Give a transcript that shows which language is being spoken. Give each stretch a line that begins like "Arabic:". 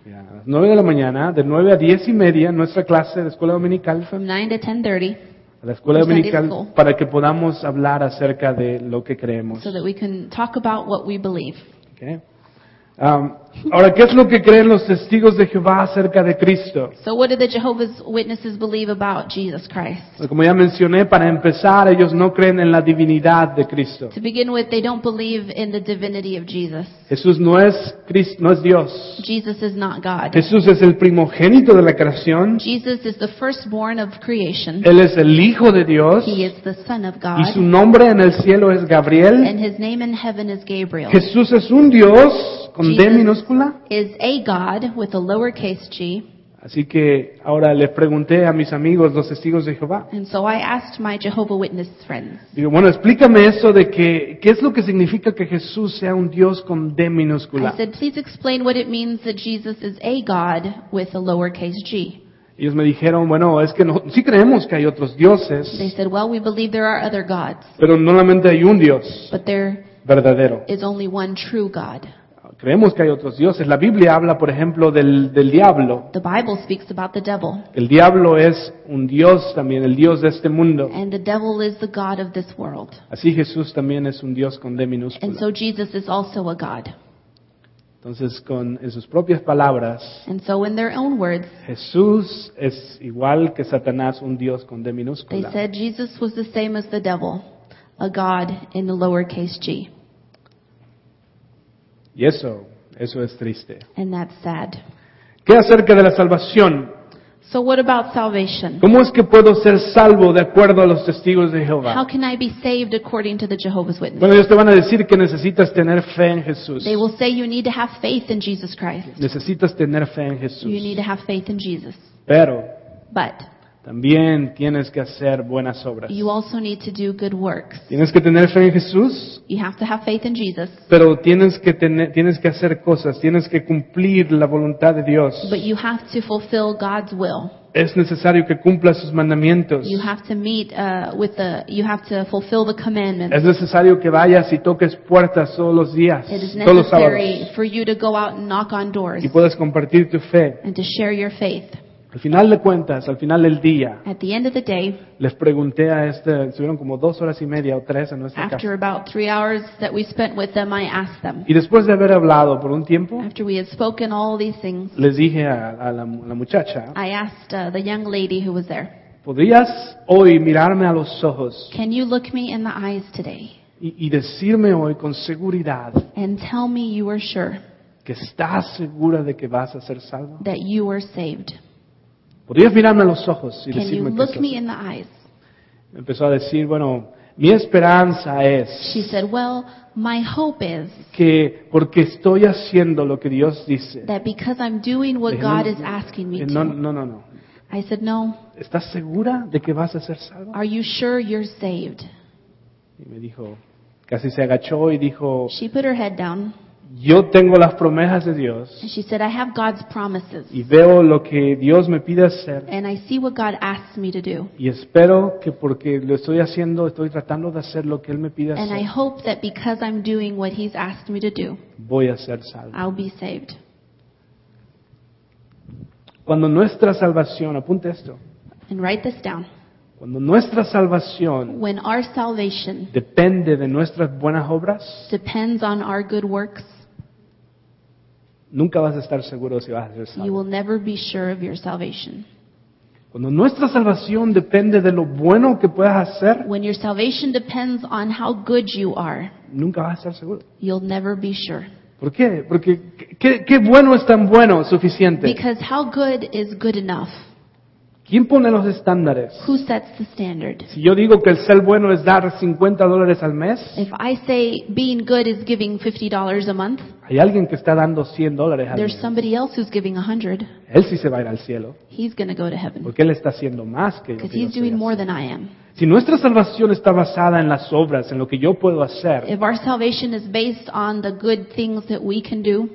Spanish: Yeah, a las 9 de la mañana, de 9 a 10 y media, nuestra clase de escuela dominical.
English: From 9 to 10:30.
Spanish: A la escuela dominical para que podamos hablar acerca de lo que creemos.
English: So that we can talk about what we believe. Okay.
Spanish: Ahora, ¿qué es lo que creen los testigos de Jehová acerca de Cristo?
English: So what do the Jehovah's Witnesses believe about Jesus Christ?
Spanish: Como ya mencioné, para empezar, ellos no creen en la divinidad de Cristo.
English: To begin with, they don't believe in the divinity of Jesus.
Spanish: Jesús no es Cristo, no es Dios.
English: Jesus is not God.
Spanish: Jesús es el primogénito de la creación.
English: Jesus is the firstborn of creation.
Spanish: Él es el Hijo de Dios.
English: He is the Son of God.
Spanish: Y su nombre en el cielo es Gabriel.
English: And his name in heaven is Gabriel.
Spanish: Jesús es un Dios.
English: Jesus is a God with a lowercase g.
Spanish: Así que ahora le pregunté a mis amigos, los testigos de Jehová.
English: And so I asked my Jehovah Witness friends.
Spanish: Digo, bueno, explícame eso de que qué es lo que significa que Jesús sea un Dios con D minúscula.
English: I said, please explain what it means that Jesus is a God with a lowercase g.
Spanish: Ellos me dijeron, bueno, es que no, sí creemos que hay otros dioses.
English: They said, well, we believe there are other gods.
Spanish: Pero no solamente hay un Dios.
English: But there
Spanish: verdadero.
English: Is only one true God.
Spanish: Creemos que hay otros dioses. La Biblia habla, por ejemplo, del diablo.
English: The Bible speaks about the devil.
Spanish: El diablo es un dios también, el dios de este mundo.
English: And the devil is the god of this world.
Spanish: Así Jesús también es un dios con D minúscula.
English: And so Jesus is also a god.
Spanish: Entonces, con en sus propias palabras,
English: and so in their own words,
Spanish: Jesús es igual que Satanás, un dios con D minúscula.
English: They said Jesus was the same as the devil, a god in the lowercase g.
Spanish: Y eso es triste.
English: And that's sad.
Spanish: ¿Qué acerca de la salvación?
English: So what about salvation?
Spanish: ¿Cómo es que puedo ser salvo de acuerdo a los testigos de Jehová?
English: How can I be saved according to the Jehovah's Witnesses?
Spanish: Bueno, ellos te van a decir que necesitas tener fe en Jesús.
English: They will say you need to have faith in Jesus Christ.
Spanish: Necesitas tener fe en Jesús.
English: You need to have faith in Jesus.
Spanish: Pero.
English: But.
Spanish: También tienes que hacer buenas obras.
English: You also need to do good works.
Spanish: Tienes que tener fe en Jesús.
English: You have to have faith in Jesus.
Spanish: Pero tienes que hacer cosas. Tienes que cumplir la voluntad de Dios.
English: But you have to fulfill God's will.
Spanish: Es necesario que cumpla sus mandamientos.
English: You have to meet with the. You have to fulfill the commandments.
Spanish: Es necesario que vayas y toques puertas todos los días, todos los sábados.
English: It is necessary for you to go out and knock on doors.
Spanish: Y puedas compartir tu fe.
English: And to share your faith.
Spanish: Al final de cuentas, al final del día,
English: at the end of the day,
Spanish: les pregunté a este, estuvieron como dos horas y media o tres en nuestra casa.
English: After about 3 hours that we spent with them, I asked them.
Spanish: Y después de haber hablado por un tiempo,
English: after we had spoken all these things,
Spanish: les dije a la muchacha,
English: I asked the young lady who was there,
Spanish: ¿podrías hoy mirarme a los ojos?
English: Can you look me in the eyes today?
Spanish: Y decirme hoy con seguridad.
English: And tell me you are sure.
Spanish: Que estás segura de que vas a ser salvo.
English: That you are saved.
Spanish: ¿Podrías mirarme a los ojos y
English: can
Spanish: decirme
English: you look
Spanish: que
English: me in the eyes?
Spanish: Me empezó a decir, bueno, mi esperanza es
English: she said, well, my hope is
Spanish: que porque estoy haciendo lo que Dios dice
English: that because I'm doing what God is asking me
Spanish: no,
English: to.
Spanish: No.
English: I said, no.
Spanish: ¿Estás segura de que vas a ser salvo?
English: Are you sure you're saved?
Spanish: Y me dijo, casi se agachó y dijo
English: she put her head down.
Spanish: Yo tengo las promesas de Dios.
English: And she said, I have God's promises.
Spanish: Y veo lo que Dios me pide hacer.
English: And I see what God asks me to do.
Spanish: Y espero que porque lo estoy haciendo, estoy tratando de hacer lo que Él me pide hacer.
English: And I hope that because I'm doing what He's asked me to do,
Spanish: voy a ser salvo.
English: I'll be saved.
Spanish: Cuando nuestra salvación, apunte esto.
English: And write this down.
Spanish: Cuando nuestra salvación
English: when our salvation
Spanish: depende de nuestras buenas obras,
English: depends on our good works,
Spanish: nunca vas a estar seguro si vas a ser salvo.
English: You will never be sure of your salvation.
Spanish: Cuando nuestra salvación depende de lo bueno que puedas hacer,
English: when your salvation depends on how good you are,
Spanish: nunca vas a estar seguro.
English: You'll never be sure.
Spanish: ¿Por qué? Porque ¿qué bueno es tan bueno suficiente?
English: Because how good is good enough?
Spanish: ¿Quién pone los estándares?
English: Who sets the standard?
Spanish: Si yo digo que el ser bueno es dar $50 al mes,
English: if I say being good is giving $50 a month,
Spanish: hay alguien que está dando $100 al mes.
English: There's somebody else who's giving $100.
Spanish: Él sí se va a ir al cielo.
English: He's going to go to heaven.
Spanish: Porque él está haciendo más que yo.
English: Because he's doing more than I am.
Spanish: Si nuestra salvación está basada en las obras, en lo que yo puedo hacer.
English: If our salvation is based on the good things that we can do.